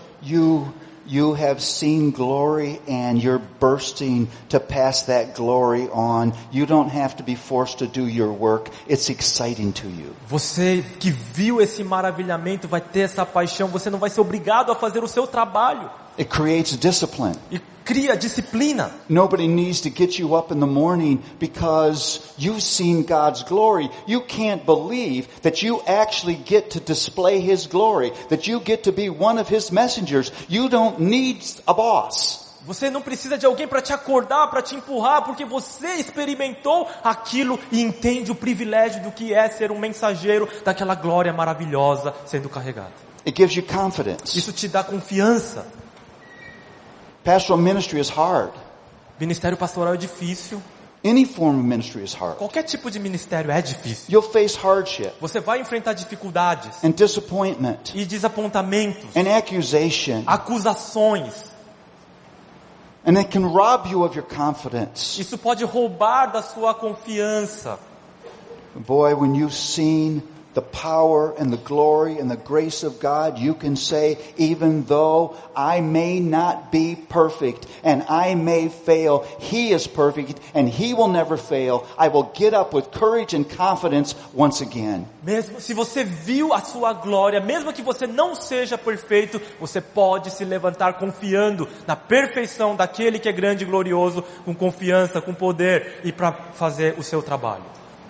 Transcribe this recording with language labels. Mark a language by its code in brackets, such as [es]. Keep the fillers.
[en] You you have seen glory and you're bursting to pass that glory on. You don't have to be forced to do your work. It's exciting to you. [pt] Você que viu esse maravilhamento vai ter essa paixão. Você não vai ser obrigado a fazer o seu trabalho. [en] It creates discipline [pt] cria disciplina. [en] Nobody needs to get you up in the morning because you've seen God's glory. You can't believe that you actually get to display his glory, that you get to be one of his messengers. You don't boss. [pt] Você não precisa de alguém para te acordar, para te empurrar, porque você experimentou aquilo e entende o privilégio do que é ser um mensageiro daquela glória maravilhosa sendo carregado. Isso te dá confiança. [en] Pastoral ministry is hard. [pt] Ministério pastoral é difícil. [en] Any form of ministry is hard. [pt] Qualquer tipo de ministério é difícil. [en] You'll face hardship. [pt] Você vai enfrentar dificuldades. [en] And disappointment. [pt] E desapontamentos. [en] And accusation. [pt] Acusações. [en] And it can rob you of your confidence. [pt] Isso pode roubar da sua confiança. [en] Boy, when you've seen the power and the glory and the grace of God, you can say, even though I may not be perfect and I may fail, He is perfect and He will never fail. I will get up with courage and confidence once again. [pt] Mesmo se você viu a sua glória, mesmo que você não seja perfeito, você pode se levantar confiando na perfeição daquele que é grande e glorioso, com confiança, com poder e para fazer o seu trabalho.